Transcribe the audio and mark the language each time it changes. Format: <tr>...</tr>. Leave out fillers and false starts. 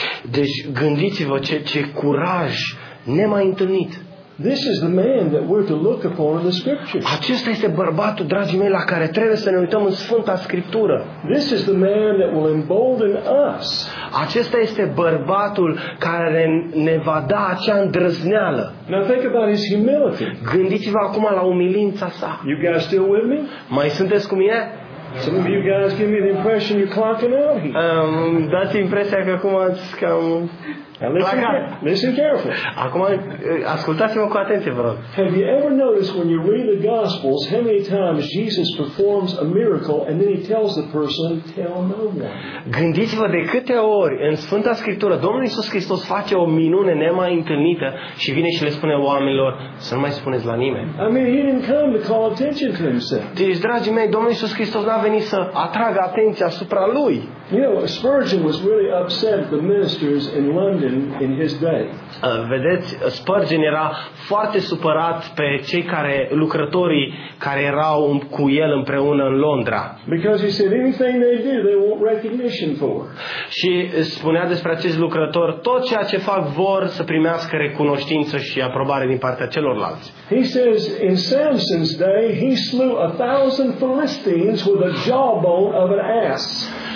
<ro>Deci gândiți-vă ce curaj nemai întâlnit.</ro> <en>This is the man that we're to look upon in the scripture.</en> <ro>Acesta este bărbatul, dragii mei, la care trebuie să ne uităm în Sfânta Scriptură.</ro> <en>This is the man that will embolden us.</en> <ro>Acesta este bărbatul care ne va da acea îndrăzneală.</ro> <en>Now think about his humility.</en> <ro>Gândiți-vă acum la umilința sa.</ro> <en>You guys still with me?</en> <ro>Mai sunteți cu mine?</ro> <en>Some of you guys give me the impression you're clocking out here.</en> <ro>Dați impresia că acum ați cam...</ro> <en>Listen carefully.</en> <ro>Acum ascultați-mă cu atenție, vă rog.</ro> <en>Have you ever noticed when you read the Gospels how many times Jesus performs a miracle and then he tells the person, tell no one?</en> <ro>Gândiți-vă de câte ori în Sfânta Scriptură Domnul Iisus Hristos face o minune nemai întâlnită și vine și le spune oamenilor să nu mai spuneți la nimeni.</ro> <en>I mean, he didn't come to call attention to himself.</en> <ro>Deci, dragii mei, Domnul Iisus Hristos n-a venit să atragă atenția asupra lui.</ro> <en>You know, Spurgeon was really upset the ministers in London in his day.</en> <ro>Vedeți, Spurgeon era foarte supărat pe cei care lucrătorii care erau cu el împreună în Londra.</ro> <en>Because he said anything they do, they want recognition for.</en> <ro>Și spunea despre acești lucrători, tot ceea ce fac vor să primească recunoștință și aprobare din partea celorlalți.</ro> <en>He says in Samson's day, he slew 1,000 Philistines with the jawbone of an ass.</en>